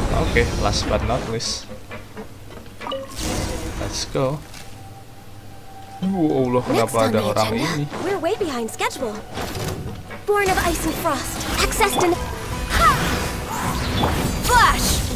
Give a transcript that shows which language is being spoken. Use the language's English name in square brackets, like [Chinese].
[English] Okay, last but not least, let's go. [Indonesian] Allah, kenapa ada orang ini? [English] We're way behind schedule. Born of ice and frost, accessed in flash.